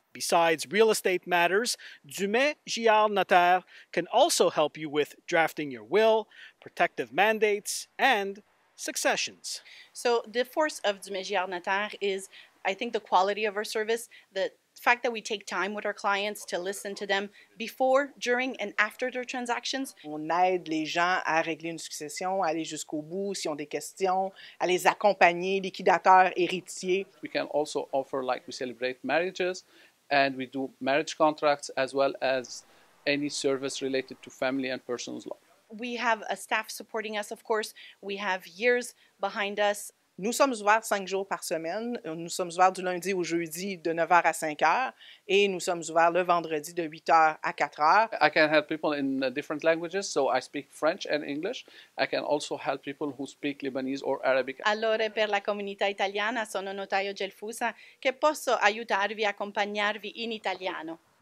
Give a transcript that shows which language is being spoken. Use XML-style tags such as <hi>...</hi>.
<en>Besides real estate matters, Dumais Giard Notaires can also help you with drafting your will, protective mandates, and successions. So the force of Dumais Giard Notaires is, I think, the quality of our service, the fact that we take time with our clients to listen to them before, during, and after their transactions.</en> <fr>On aide les gens à régler une succession, à aller jusqu'au bout s'ils ont des questions, à les accompagner, liquidateurs, héritiers.</fr> <en>We can also offer, like we celebrate marriages, and we do marriage contracts as well as any service related to family and personal law. We have a staff supporting us, of course. We have years behind us.</en> <fr>Nous sommes ouverts 5 jours par semaine. Nous sommes ouverts du lundi au jeudi de 9h à 5h. Et nous sommes ouverts le vendredi de 8h à 4h.</fr> <en>I can help people in different languages, so I speak French and English. I can also help people who speak Lebanese or Arabic.</en> <it>Allora, per la comunità italiana, sono notaio Gelfusa, che posso aiutarvi, accompagnarvi in italiano.</it>